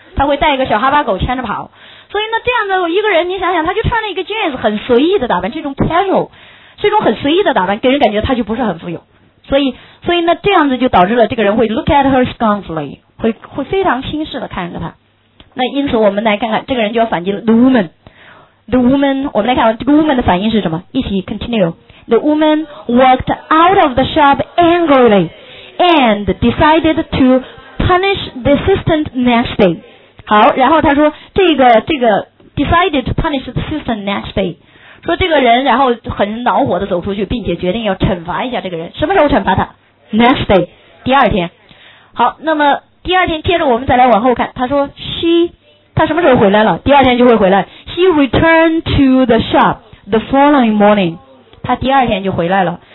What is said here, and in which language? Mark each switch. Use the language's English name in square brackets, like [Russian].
[Chinese] 他会带一个小哈巴狗牵着跑。所以那这样的一个人，你想想，他就穿了一个 jeans， 很随意的打扮，这种 casual， 这种很随意的打扮，给人感觉他就不是很富有。所以那这样子就导致了这个人会 [English] look at her scornfully， [Chinese] 会非常轻视的看着他。那因此我们来看看这个人就要反击了 [English] the woman， [Chinese] 我们来看这个 woman 的反应是什么。一起 continue。 [English] The woman walked out of the shop angrily and decided to punish the assistant next day。 [Chinese] 好，然后他说这个 [English] decided to punish the assistant next day， [Chinese] 说这个人然后很恼火的走出去，并且决定要惩罚一下这个人。什么时候惩罚他？ [English] next day， [Chinese] 第二天。好，那么第二天接着我们再来往后看，他说他什么时候回来了？第二天就会回来。 [English] She returned to the shop the following morning， [Chinese] 他第二天就回来了。